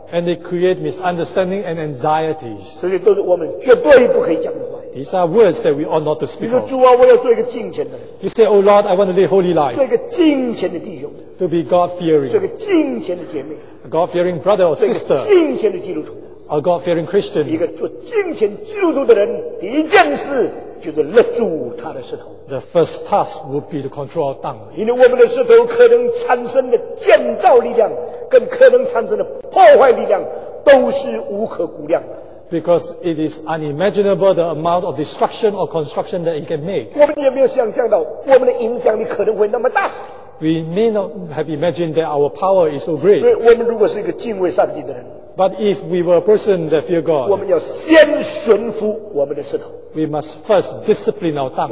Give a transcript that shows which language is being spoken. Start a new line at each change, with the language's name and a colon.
English: And they create misunderstanding and anxieties.
Chinese: 这些都是我们绝对不可以讲的话。
English: These are words that we ought not to speak of.
Chinese: 你说主啊, 我要做一个敬虔的人。
English: You say, Oh Lord, I want to live holy life.
Chinese: 做一个敬虔的弟兄。
English: To be God-fearing.
Chinese: 做一个敬虔的姐妹。
English: A God-fearing brother or sister.
Chinese: 做一个敬虔的基督徒。
English: A God-fearing Christian.
Chinese: 一个做敬虔基督徒的人, 第一件事, 就是勒住他的石头。
English: The first task would be to control our tongue.
Chinese: 因为我们的石头可能产生的建造力量, 跟可能产生的破坏力量, 都是无可估量的。
English: Because it is unimaginable the amount of destruction or construction that it can make.
Chinese: 我们也没有想象到, 我们的影响力可能会那么大。
English: We may not have imagined that our power is so great.
Chinese: 因为我们如果是一个敬畏上帝的人,
English: But if we were a person that fear God, we must first discipline our tongue.